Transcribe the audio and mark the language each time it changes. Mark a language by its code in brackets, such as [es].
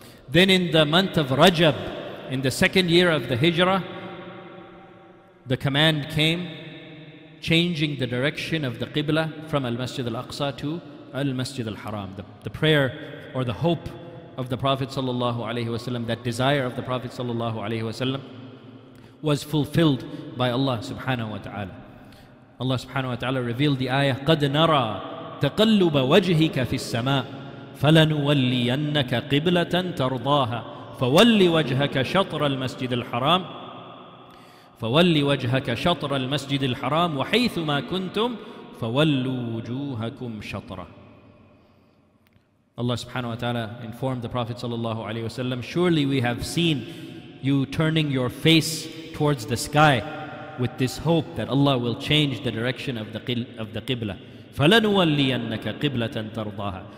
[en] Then in the month of Rajab, in the second year of the Hijrah, the command came changing the direction of the Qibla from Al-Masjid Al-Aqsa to Al-Masjid Al-Haram. The prayer or the hope of the Prophet sallallahu alaihi wasallam, that desire of the Prophet sallallahu alaihi wasallam, was fulfilled by Allah subhanahu wa ta'ala. Allah subhanahu wa ta'ala revealed the ayah, [ar] قَدْ نَرَى تَقَلُّبَ وَجْهِكَ فِي السَّمَاءِ فَلَنُوَلِّيَنَّكَ قِبْلَةً تَرْضَاهَا. فولي وجهك شطر المسجد الحرام فولي وجهك شطر المسجد الحرام وحيثما كنتم فولوا وجوهكم شطره. [en] Allah subhanahu wa ta'ala informed the Prophet sallallahu alayhi wa sallam, surely we have seen you turning your face towards the sky with this hope that Allah will change the direction of the qibla. [ar] فَلَنُوَلِّيَنَّكَ قِبْلَةً تَرْضَاهَا.